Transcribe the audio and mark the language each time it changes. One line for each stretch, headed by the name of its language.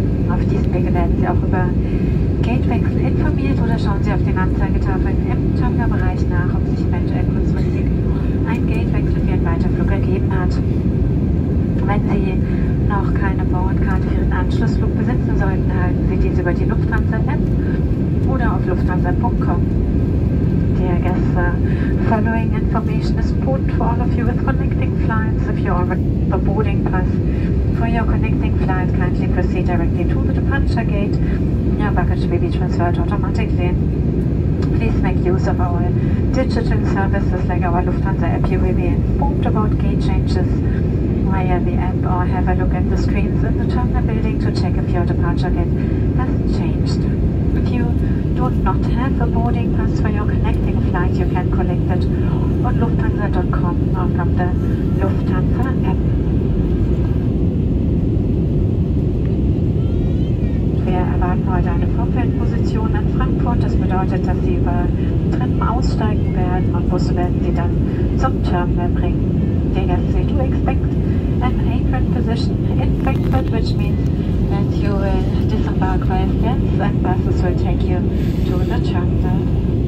German: Auf diesem Wege werden Sie auch über Gatewechsel informiert oder schauen Sie auf den Anzeigetafeln im Terminalbereich nach, ob sich eventuell kurzfristig ein Gatewechsel für einen Weiterflug ergeben hat. Wenn Sie noch keine Boardkarte für Ihren Anschlussflug besitzen sollten, erhalten Sie diese über die Lufthansa-App oder auf lufthansa.com.
English: Dear guests, the following information is important for all of you with connecting flights. If you already have a boarding pass for your connecting flight, kindly proceed directly to the departure gate. Your baggage will be transferred automatically. Please make use of our digital services like our Lufthansa app. You will be informed about gate changes via the app or have a look at the screens in the terminal building to check if your departure gate has changed. If you do not have a boarding pass for your connecting flight, you can collect it on lufthansa.com or from the Lufthansa app.
German: Wir erwarten heute eine Vorfeldposition in Frankfurt. Das bedeutet, dass Sie über Treppen aussteigen werden und Busse werden Sie dann zum Terminal bringen.
English: Dear guests, we do expect an apron position in Frankfurt, which means that you will disembark via stairs and buses will take you to the terminal.